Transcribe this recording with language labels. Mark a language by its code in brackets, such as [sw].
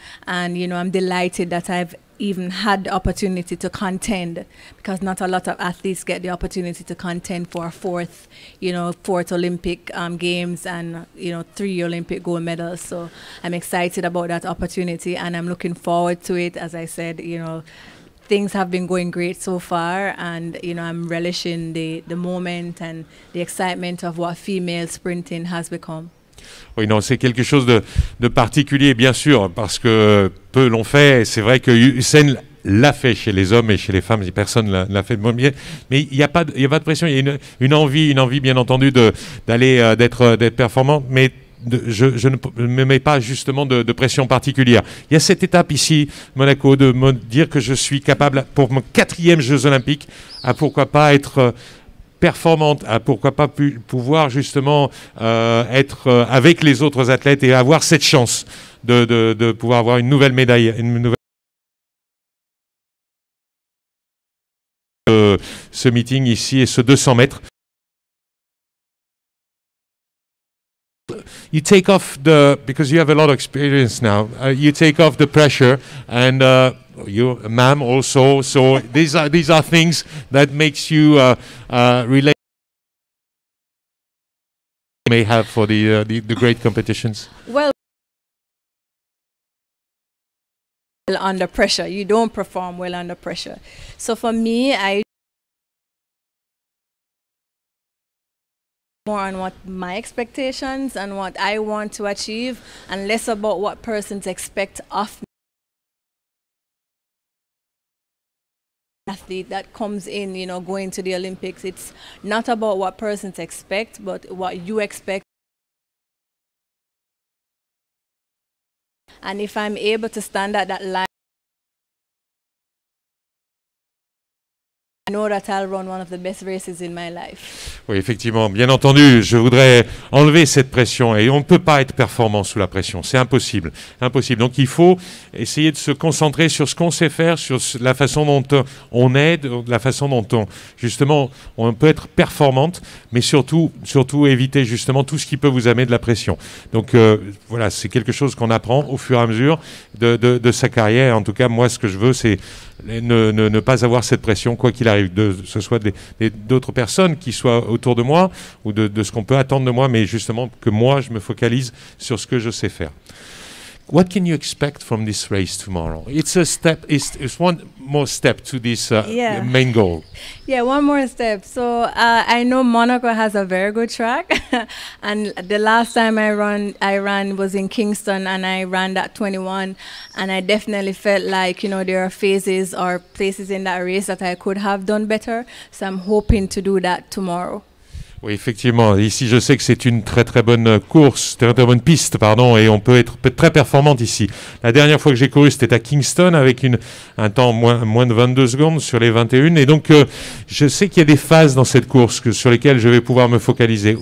[en] And, you know, I'm delighted that I've even had the opportunity to contend, because not a lot of athletes get the opportunity to contend for a fourth Olympic games and, you know, 3 Olympic gold medals. So I'm excited about that opportunity and I'm looking forward to it. As I said, you know, things have been going great so far, and, you know, I'm relishing the moment and the excitement of what female sprinting has become. [fr] Oui, non, c'est quelque chose de particulier, bien sûr, parce que peu l'ont fait. C'est vrai que Usain l'a fait chez les hommes et chez les femmes, personne ne l'a fait. Mais il n'y a pas de pression, il y a une envie, bien entendu, d'être performante, mais je ne me mets pas justement de pression particulière. Il y a cette étape ici, Monaco, de me dire que je suis capable, pour mon 4e Jeux Olympiques, à pourquoi pas être performante, pourquoi pas pouvoir justement être avec les autres athlètes et avoir cette chance de pouvoir avoir une nouvelle médaille, une nouvelle ce meeting ici et ce 200 mètres. [en] You take off the, because you have a lot of experience now, you take off the pressure and you're a mom also, so these are things that makes you relate you may have for the great competitions. Well, under pressure, you don't perform well under pressure. So for me, I more on what my expectations and what I want to achieve, and less about what persons expect of me. Athlete that comes in, you know, going to the Olympics, it's not about what persons expect, but what you expect. And if I'm able to stand at that line, know that I'll run one of the best races in my life. [fr] Oui, effectivement, bien entendu, je voudrais enlever cette pression et on ne peut pas être performant sous la pression, c'est impossible, impossible. Donc il faut essayer de se concentrer sur ce qu'on sait faire, sur la façon dont on aide, la façon dont on, justement, on peut être performante, mais surtout, surtout éviter justement tout ce qui peut vous amener de la pression. Donc voilà, c'est quelque chose qu'on apprend au fur et à mesure de sa carrière. En tout cas, moi, ce que je veux, c'est ne pas avoir cette pression, quoi qu'il arrive, que ce soit d'autres personnes qui soient autour de moi ou de ce qu'on peut attendre de moi, mais justement que moi, je me focalise sur ce que je sais faire. [en] What can you expect from this race tomorrow? It's a step, it's one more step to this main goal. Yeah, one more step. So I know Monaco has a very good track. And the last time I ran was in Kingston, and I ran that 21. And I definitely felt like, you know, there are phases or places in that race that I could have done better. So I'm hoping to do that tomorrow. [fr] Oui, effectivement. Ici, je sais que c'est une très très bonne course, très très bonne piste, pardon, et on peut être très performante ici. La dernière fois que j'ai couru, c'était à Kingston avec un temps moins de 22 secondes sur les 21. Et donc, je sais qu'il y a des phases dans cette course sur lesquelles je vais pouvoir me focaliser.